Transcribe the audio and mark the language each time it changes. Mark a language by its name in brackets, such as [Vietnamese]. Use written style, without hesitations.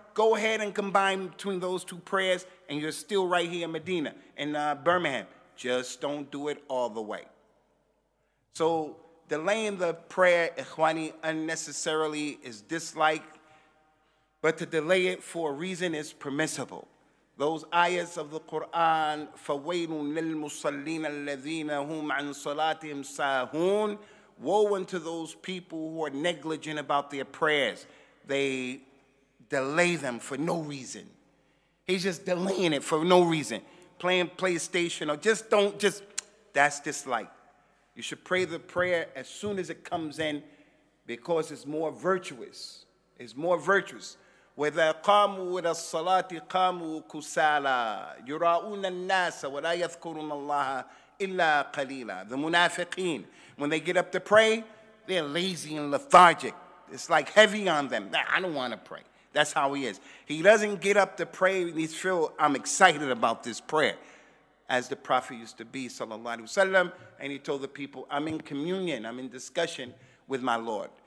[English] Go ahead and combine between those two prayers and you're still right here in Medina, in Birmingham. Just don't do it all the way. So delaying the prayer, ikhwani, unnecessarily is disliked. But to delay it for a reason is permissible. Those ayahs of the Quran, [Arabic] فَوَيْلٌ لِلْمُصَلِّينَ الَّذِينَ هُمْ عَنْ صَلَاتِهِمْ سَاهُونَ. [English] Woe unto those people who are negligent about their prayers. They delay them for no reason. He's just delaying it for no reason. Playing PlayStation or that's dislike. You should pray the prayer as soon as it comes in because it's more virtuous. It's more virtuous. [Arabic] وَإِذَا قَامُوا إِلَى الصَّلَاةِ قَامُوا كُسَالَى يُرَاءُونَ النَّاسَ وَلَا يَذْكُرُونَ اللَّهَ إِلَّا قَلِيلًا. [English] The munafiqeen, when they get up to pray, They're lazy and lethargic. It's like heavy on them. I don't want to pray. That's how he is. He doesn't get up to pray. He feels, I'm excited about this prayer. As the prophet used to be, sallallahu alaihi wasallam, and he told the people, I'm in communion, I'm in discussion with my Lord.